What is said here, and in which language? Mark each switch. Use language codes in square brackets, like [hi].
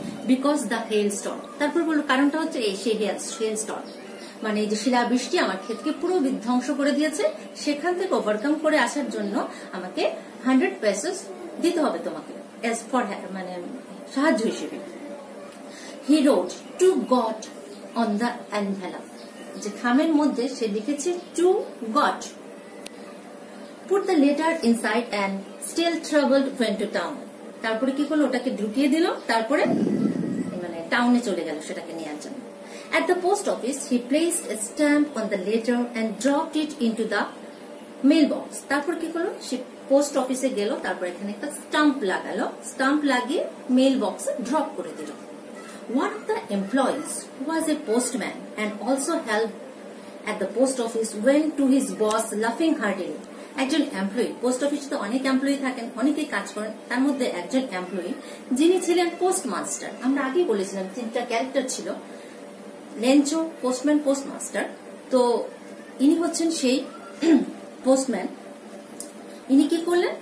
[en] Because the hailstorm, [bn] তারপর বলল কারণটা হচ্ছে এই সেই হেলস্টর্ম, মানে এই যে শিলা বৃষ্টি আমার ক্ষেতকে পুরো বিধ্বংস করে দিয়েছে, সেখান থেকে ওভারকাম করে আসার জন্য আমাকে 100 pesos দিতে হবে তোমাকে, as for মানে সাহায্য হিসেবে। [en] He wrote to God on the envelope, [bn] যে খামের মধ্যে সে লিখেছে [en] to God. Put the letter inside and still troubled went to town. [bn] তারপরে কি করলো? ওটাকে ঢুকিয়ে দিল, তারপরে মানে টাউনে চলে গেল সেটাকে নেওয়ার জন্য। [en] At the post office, he placed a stamp on the letter and dropped it into the mailbox. [bn] তারপর কি করলো? সে পোস্ট অফিসে গেল, তারপর এখানে একটা স্টাম্প লাগালো, স্টাম্প লাগিয়ে মেইল বক্সে ড্রপ করে দিল। [en] One of the employees, who was a postman and also helped at the post office, went to his boss laughing heartily. [bn] একজন এমপ্লয়ি, পোস্ট অফিসে তো অনেক এমপ্লয়ি থাকেন, অনেকেই কাজ করেন, তার মধ্যে একজন এমপ্লয়ি যিনি ছিলেন পোস্টমাস্টার। আমরা আগেই বলেছিলাম তিনটা ক্যারেক্টার ছিল, লেঞ্চো, পোস্টম্যান, পোস্টমাস্টার। তো ইনি হচ্ছেন সেই পোস্টম্যান। ইনি কি করলেন?